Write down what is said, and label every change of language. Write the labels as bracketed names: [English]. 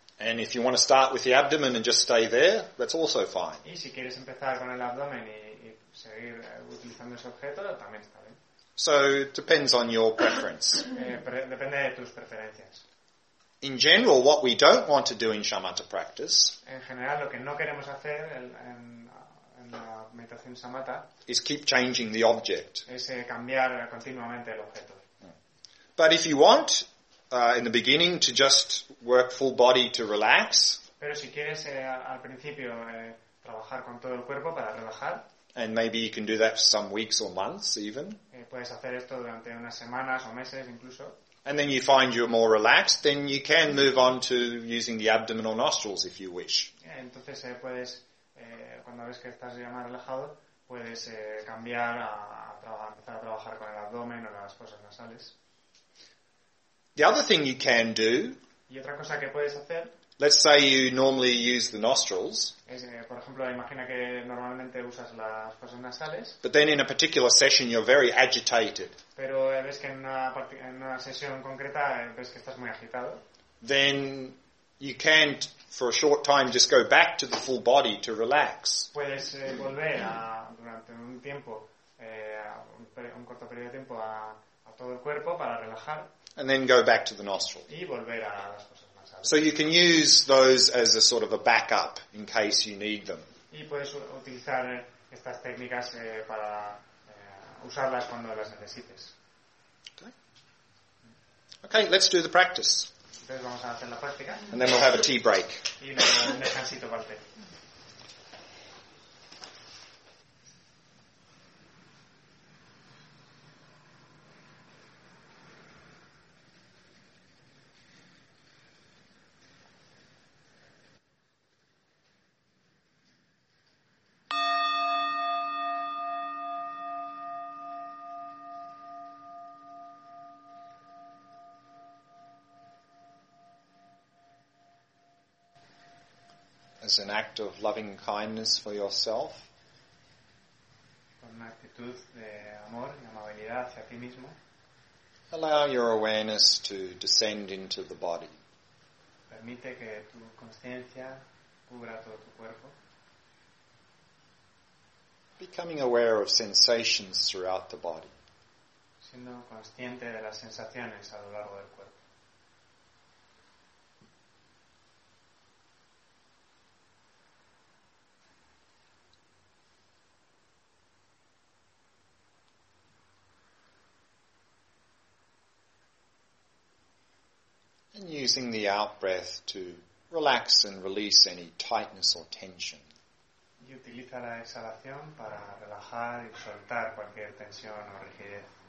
[English] And if you want to start with the abdomen and just stay there, that's also fine. [Spanish] Y si quieres empezar con el abdomen y seguir utilizando ese objeto, también está bien. [English] So it depends on your preference. [Spanish] Depende de tus preferencias. [English] In general, what we don't want to do in shamatha practice, [Spanish] en general, lo que no queremos hacer en la meditación shamatha, [English] is keep changing the object. [Spanish] Es cambiar continuamente el objeto. [English] But if you want, in the beginning, to just work full body to relax, [Spanish] pero si quieres al principio trabajar con todo el cuerpo para relajar. [English] And maybe you can do that for some weeks or months even. [Spanish] Puedes hacer esto durante unas semanas o meses incluso. [English] And then you find you're more relaxed, then you can move on to using the abdomen or nostrils if you wish. [Spanish] Entonces puedes, cuando ves que estás ya más relajado, puedes cambiar empezar a trabajar con el abdomen o las fosas nasales. [English] The other thing you can do, [Spanish] y otra cosa que puedes hacer, [English] let's say you normally use the nostrils, [Spanish] es, por ejemplo, imagina que normalmente usas las fosas nasales, [English] but then in a particular session you're very agitated, [Spanish] pero ves que en una sesión concreta ves que estás muy agitado, [English] then you can't for a short time just go back to the full body to relax. [Spanish] Puedes volver durante un tiempo, un corto periodo de tiempo, a todo el cuerpo para relajar. [English] And then go back to the nostril. [Spanish] Y volver a las fosas nasales. [English] So you can use those as a sort of a backup in case you need them. [Spanish] Y puedes utilizar estas técnicas para usarlas cuando las necesites. [English] Okay, let's do the practice. [Spanish] Entonces vamos a hacer la práctica. [English] And then we'll have a tea break. [Spanish] Y un descansito para el té. [English] As an act of loving kindness for yourself, [Spanish] con una actitud de amor y amabilidad hacia ti mismo, [English] allow your awareness to descend into the body. [Spanish] Permite que tu consciencia cubra todo tu cuerpo. [English] Becoming aware of sensations throughout the body. [Spanish] Siendo consciente de las sensaciones a lo largo del cuerpo. [English] And using the out-breath to relax and release any tightness or tension. [Spanish] Y utiliza la exhalación para relajar y soltar cualquier tensión o rigidez.